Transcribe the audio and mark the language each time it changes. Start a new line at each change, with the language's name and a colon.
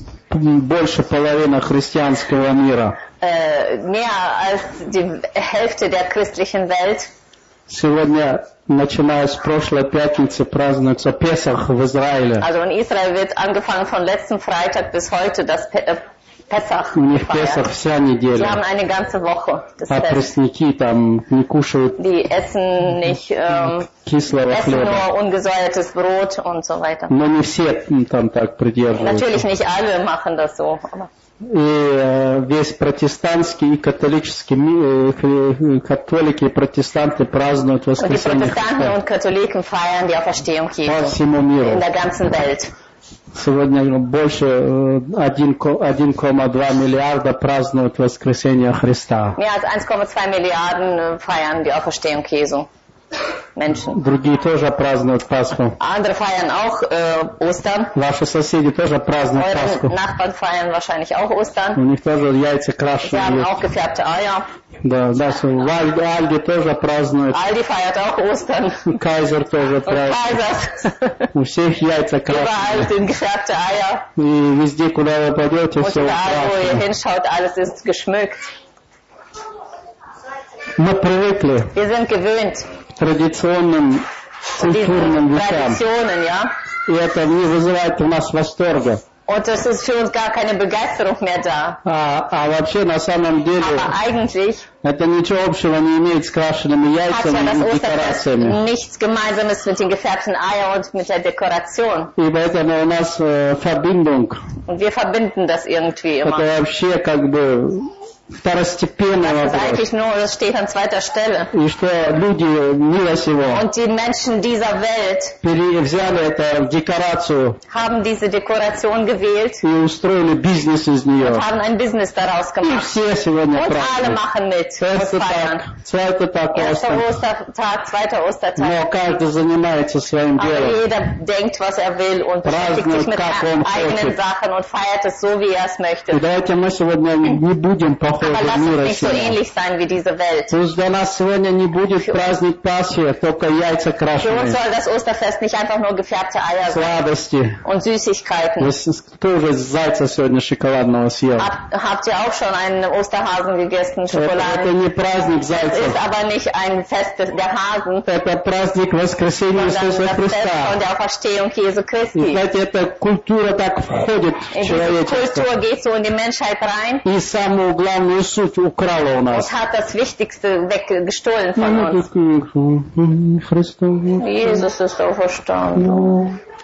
Russian: Больше половины христианского мира.
German: Mehr als die Hälfte der christlichen Welt.
Russian: Сегодня, начиная с прошлой пятницы, празднуется Песах в Израиле.
German: Also in Israel wird angefangen von letzten Freitag bis heute das Песах.
Russian: У них Песах вся неделя.
German: Sie haben eine ganze Woche.
Russian: А пресняки там не кушают.
German: Die essen nicht,
Russian: кислого
German: essen
Russian: хлеба.
German: Nur ungesäuertes Brot und so weiter.
Russian: Но не все там так придерживаются.
German: Natürlich nicht alle machen das so.
Russian: И весь протестантский и католический католики и протестанты празднуют воскресенье Христа.
German: Und die Protestanten und Katholiken feiern die Auferstehung Jesu.
Russian: По всему миру.
German: In der ganzen Welt.
Russian: Сегодня больше 1,2 миллиарда празднуют воскресение Христа.
German: Mehr als 1,2 Milliarden feiern die Auferstehung Jesu. Menschen.
Russian: Другие тоже празднуют Пасху.
German: Andere feiern auch Ostern.
Russian: Ваши соседи тоже празднуют
German: Euren
Russian: Пасху.
German: Nachbarn feiern wahrscheinlich auch Ostern.
Russian: У них тоже яйца крашеные.
German: Sie haben auch gefärbte Eier.
Russian: Да, Альди тоже празднует.
German: Альди фаят ох Остерн.
Russian: Кайзер тоже празднует. У всех яйца красные. И везде, куда вы пойдете, все украшено. Мы привыкли к традиционным культурным вещам. И это не вызывает у нас восторга.
German: Und das ist für uns gar keine Begeisterung mehr da.
Russian: А вообще на самом деле.
German: Aber eigentlich.
Russian: Это ничего общего не имеет с крашенными яйцами и декорациями.
German: Nichts Gemeinsames mit den gefärbten Eiern und mit der Dekoration.
Russian: И поэтому у нас Verbindung.
German: Und wir verbinden das irgendwie immer.
Russian: Это вообще как бы второстепенный вопрос.
German: Das ist eigentlich nur, das steht an zweiter Stelle.
Russian: И что люди мира сего.
German: Und die Menschen dieser Welt.
Russian: Взяли это в декорацию.
German: Haben diese Dekoration gewählt.
Russian: И устроили бизнес из нее.
German: Und haben ein Business daraus gemacht.
Russian: И все сегодня
German: und
Russian: праздник.
German: Alle machen mit. Zweiter Tag. Zweiter Ostertag.
Russian: Но каждый занимается своим делом.
German: Aber jeder denkt, was will und
Russian: праздник,
German: beschäftigt sich mit eigenen Sachen und feiert es so, wie es möchte.
Russian: И давайте мы сегодня не будем по
German: Aber lass uns nicht so ähnlich sein wie diese Welt.
Russian: Пусть для нас сегодня не будет праздник Пасхи, только яйца крашеные.
German: Für uns soll das Osterfest nicht einfach nur gefärbte Eier sein.
Russian: Сладости.
German: Und Süßigkeiten.
Russian: Кто уже зайца сегодня шоколадного съел?
German: Habt ihr auch schon einen Osterhasen gegessen, Schokolade?
Russian: Это не праздник зайца.
German: Ist aber nicht ein Fest der Hasen.
Russian: Это праздник воскресения Иисуса Христа.
German: Sondern das Fest von der Auferstehung Jesu Christi.
Russian: И знаете, эта культура так входит в человечество.
German: Культура geht so in die Menschheit rein.
Russian: И самое главное. Суть украла у нас.
German: Und hat das Wichtigste weggestohlen von uns. Jesus ist auferstanden.